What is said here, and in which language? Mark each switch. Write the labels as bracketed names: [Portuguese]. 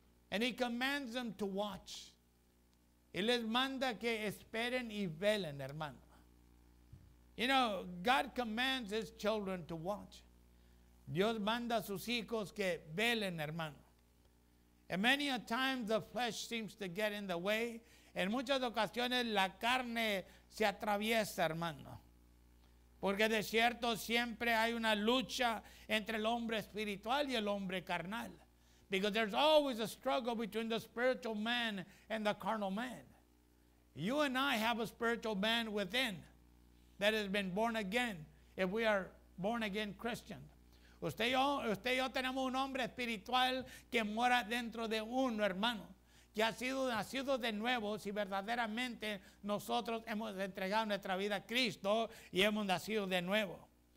[English] And he commands them to watch. [Spanish] Y les manda que esperen y velen, hermano. [English] You know, God commands his children to watch. [Spanish] Dios manda a sus hijos que velen, hermano. [English] And many a time the flesh seems to get in the way. [Spanish] En muchas ocasiones la carne se atraviesa, hermano. Porque de cierto siempre hay una lucha entre el hombre espiritual y el hombre carnal. [English] Because there's always a struggle between the spiritual man and the carnal man. You and I have a spiritual man within that has been born again if we are born again Christian. [Spanish] Usted y yo tenemos un hombre espiritual que mora dentro de uno, hermano, que ha sido nacido de nuevo si verdaderamente nosotros hemos entregado nuestra vida a Cristo y hemos nacido de nuevo.